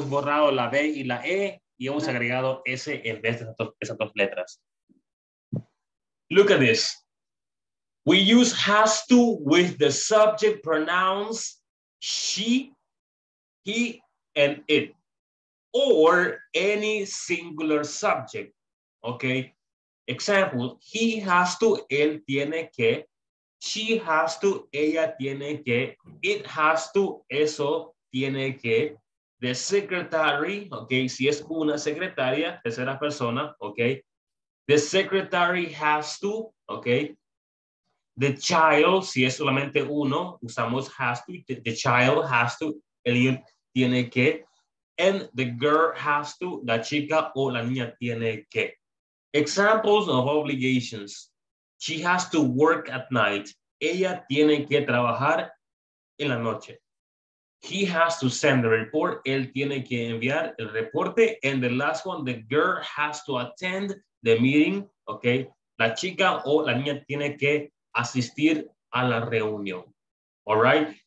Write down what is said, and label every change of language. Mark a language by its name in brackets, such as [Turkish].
[Spanish] Hemos borrado la B y la E y hemos agregado S en vez de esas dos letras. [English] Look at this. We use has to with the subject pronouns she, he, and it, or any singular subject, okay? Example, he has to, [Spanish] él tiene que, [English] she has to, [Spanish] ella tiene que, [English] it has to, [Spanish] eso tiene que, [English] the secretary, okay? [Spanish] Si es una secretaria, tercera persona, okay? [English] The secretary has to, [Spanish] okay? [English] The child, [Spanish] si es solamente uno, usamos has to, [English] the child has to, [Spanish] el tiene que, [English] and the girl has to, [Spanish] la chica o la niña tiene que. [English] Examples of obligations. She has to work at night. [Spanish] Ella tiene que trabajar en la noche. [English] He has to send the report. [Spanish] Él tiene que enviar el reporte. [English] And the last one, the girl has to attend the meeting. Okay. [Spanish] La chica o la niña tiene que asistir a la reunión. [English] All right.